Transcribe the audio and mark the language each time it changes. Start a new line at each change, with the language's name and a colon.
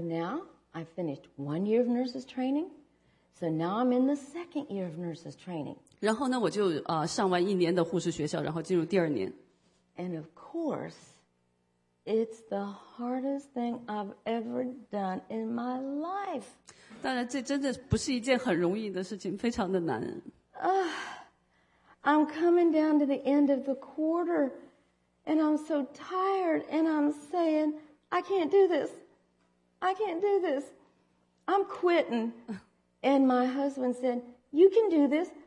English: now I finished 1 year of nurses training. So now I'm in the second year of nurses training.
Chinese: 然后呢，我就上完一年的护士学校，然后进入第二年。
English: And of course, it's the hardest thing I've ever done in my life.
Chinese: 当然，这真的不是一件很容易的事情，非常的难。
English: I'm coming down to the end of the quarter, and I'm so tired, and I'm saying, I can't do this. I can't do this. I'm quitting. And my husband said, "You can do this."